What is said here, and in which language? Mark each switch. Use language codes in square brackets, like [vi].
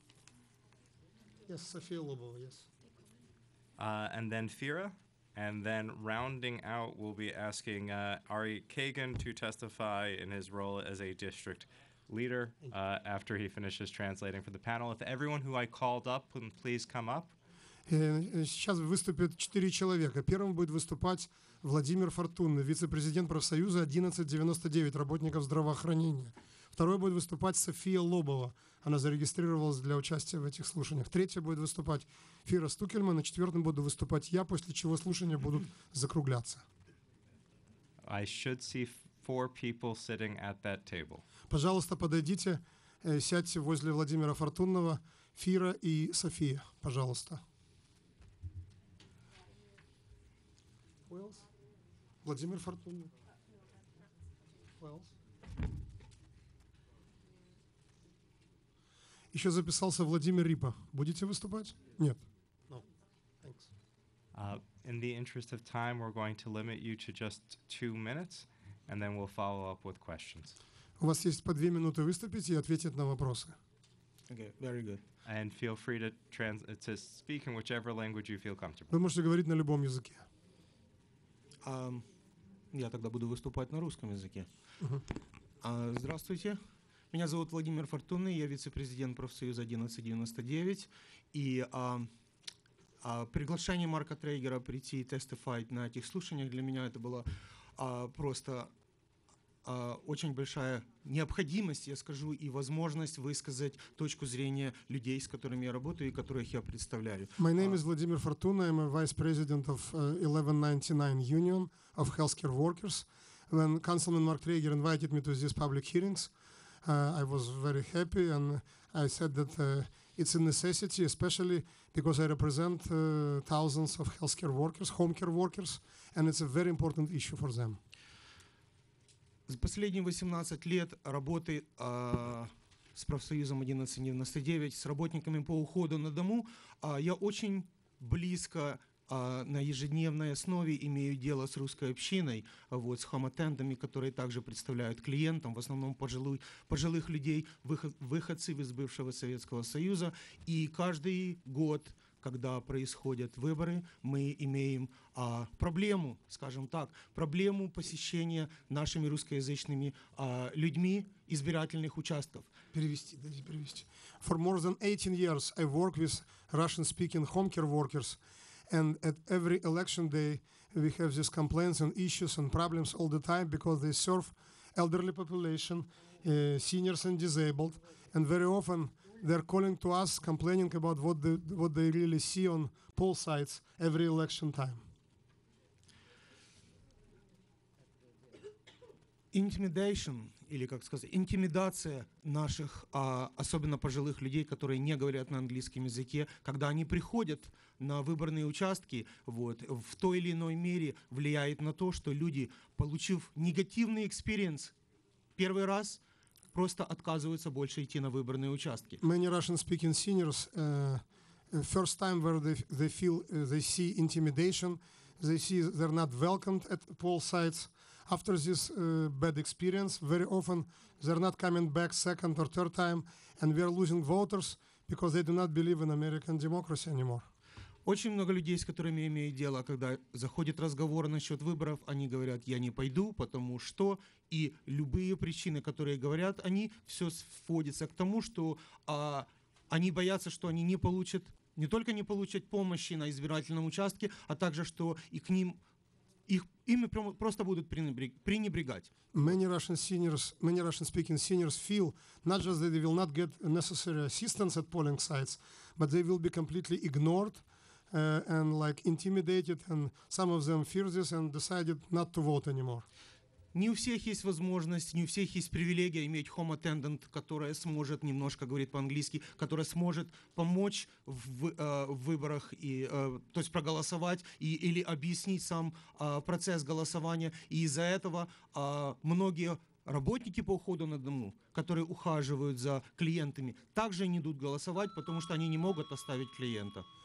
[en] Mm-hmm. Yes, Sophia Lobova, yes. And then Fira. And then rounding out, we'll be asking Ari Kagan to testify in his role as a district leader after he finishes translating for the panel. If everyone who I called up, please come up. [ru] Сейчас выступят четыре человека. Первым будет выступать Владимир Фортунный, вице-президент профсоюза 1199, работников здравоохранения. Второй будет выступать София Лобова. Она зарегистрировалась для участия в этих слушаниях. Третья будет выступать Фира Стукельман. На четвертом буду выступать я, после чего слушания будут закругляться. [en] I should see four people sitting at that table. [ru] Пожалуйста, подойдите, сядьте возле Владимира Фортунного, Фира и София, пожалуйста. Владимир Фортуна. Еще записался Владимир Рипа. Будете выступать? Нет. [en] No. Thanks. In the interest of time, we're going to limit you to just 2 minutes, and then we'll follow up with questions. [ru] У вас есть по 2 минуты выступить и ответить на вопросы. [en] Okay, very good. And feel free to speak in whichever language you feel comfortable. [ru] Вы можете говорить на любом языке. Я тогда буду выступать на русском языке. Здравствуйте. Меня зовут Владимир Фортунный. Я вице-президент профсоюза 1199. И приглашение Марка Трейгера прийти и тестифайть на этих слушаниях для меня это было просто очень большая необходимость, я скажу, и возможность высказать точку зрения людей, с которыми я работаю и которых я представляю. [en] My name is Vladimir Fortuna. I'm a vice president of 1199 Union of Healthcare Workers. When Councilman Mark Traeger invited me to these public hearings, I was very happy and I said that it's a necessity, especially because I represent thousands of healthcare workers, home care workers, and it's a very important issue for them. [ru] За последние 18 лет работы с профсоюзом 1199, с работниками по уходу на дому, я очень близко на ежедневной основе имею дело с русской общиной, вот, с хомотендами, которые также представляют клиентам, в основном пожилых людей, выходцев из бывшего Советского Союза. И каждый год, когда происходят выборы, мы имеем проблему, скажем так, проблему посещения нашими русскоязычными людьми избирательных участков. Перевести, дайте перевести. [en] For more than 18 years I work with Russian-speaking home care workers, and at every election day we have these complaints and issues and problems all the time because they serve elderly population, seniors and disabled, and very often they're calling to us, complaining about what they really see on poll sites every election time. Intimidation [ru] или, как сказать, интимидация наших, особенно пожилых людей, которые не говорят на английском языке, когда они приходят на выборные участки, вот, в той или иной мере влияет на то, что люди, получив негативный экспириенс первый раз, просто отказываются больше идти на выборные участки. [en] Many Russian-speaking seniors, first time where they feel, they see intimidation, they see they're not welcomed at poll sites. After this bad experience, very often they're not coming back second or third time, and we are losing voters because they do not believe in American democracy anymore. [ru] Очень много людей, с которыми я имею дело, когда заходит разговор насчет выборов, они говорят, я не пойду, потому что, и любые причины, которые говорят, они все сводятся к тому, что они боятся, что они не получат, не только не получат помощи на избирательном участке, а также, что и к ним, их, им просто будут пренебрегать. [en] Many Russian seniors, many Russian-speaking seniors feel not just that they will not get necessary assistance at polling sites, but they will be completely ignored. And like intimidated, and some of them fear this and decided not to vote anymore. [ru] Не у всех есть возможность, не у всех есть привилегия иметь home attendant, которая сможет немножко говорить по-английски, которая сможет помочь в выборах и, то есть проголосовать и или объяснить сам процесс голосования. И из-за этого многие работники по уходу на дому, которые ухаживают за клиентами, также не идут голосовать, потому что они не могут оставить клиента.